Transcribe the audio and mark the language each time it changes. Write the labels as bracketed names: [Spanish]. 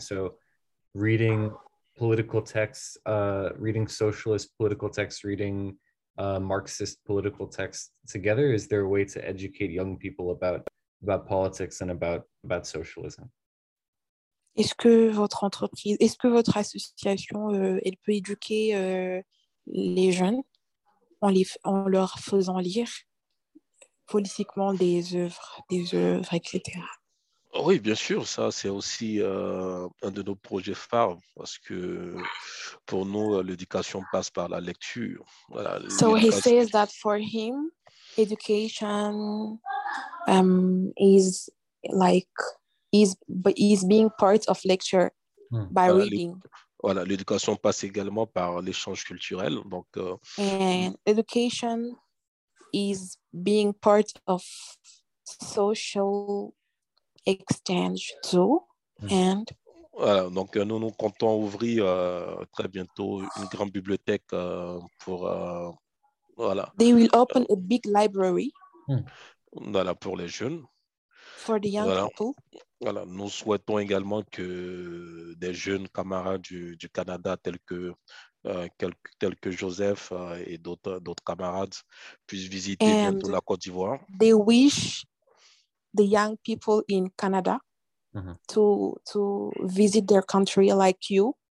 [English] So reading political texts, reading socialist political texts, reading Marxist political texts together, is there a way to educate young people about politics and about socialism? [French] Est-ce que votre entreprise, est-ce que votre association, elle peut éduquer les jeunes en leur faisant lire politiquement des œuvres, etc. Oui, bien sûr, ça c'est aussi un de nos projets phares parce que pour nous, l'éducation passe par la lecture. Voilà, [English] so he says that for him, education is like is being part of lecture by reading. [French] Voilà, l'éducation passe également par l'échange culturel. Donc, [English] and education is being part of social exchange too. And [French] voilà, donc nous comptons ouvrir très bientôt une grande bibliothèque pour voilà. [English] They will open a big library. [French] Voilà, pour les jeunes. [English] For the young people. [French] Voilà, nous souhaitons également que des jeunes camarades du Canada tels que Joseph et d'autres camarades puissent visiter [English] and [French] bientôt la Côte d'Ivoire. [English] They wish the young people in Canada to visit their country like you.